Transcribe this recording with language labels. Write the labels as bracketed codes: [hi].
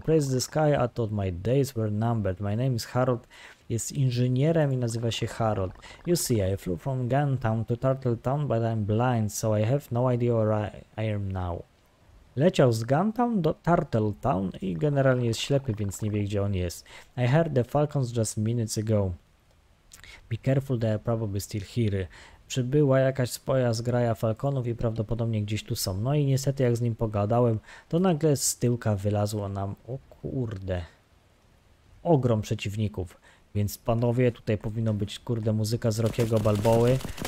[en] Praise the sky, I thought my days were numbered. My name is Harold. [pl] Jest inżynierem i nazywa się Harold. [en] You see, I flew from Guntown to Turtle Town, but I'm blind, so I have no idea where I am now. [pl] Leciał z Guntown do Turtle Town i generalnie jest ślepy, więc nie wie, gdzie on jest. [en] I heard the Falcons just minutes ago. Be careful, they are probably still here. [pl] Przybyła jakaś spoja zgraja Falconów i prawdopodobnie gdzieś tu są. No i niestety, jak z nim pogadałem, to nagle z tyłka wylazło nam, o kurde, ogrom przeciwników. Więc panowie, tutaj powinno być, kurde, muzyka z Rockiego Balboły.